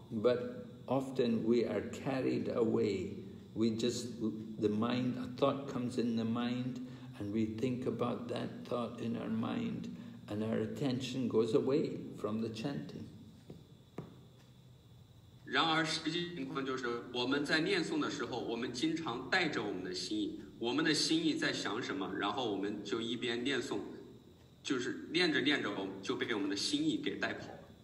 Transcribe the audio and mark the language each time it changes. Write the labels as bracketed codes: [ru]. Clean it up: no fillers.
[en] But often we are carried away. We just the mind a thought comes in the mind, and we think about that thought in our mind, and our attention goes away from the chanting. [zh] 然而，实际情况就是我们在念诵的时候，我们经常带着我们的心意。我们的心意在想什么，然后我们就一边念诵，就是念着念着就被我们的心意给带跑了。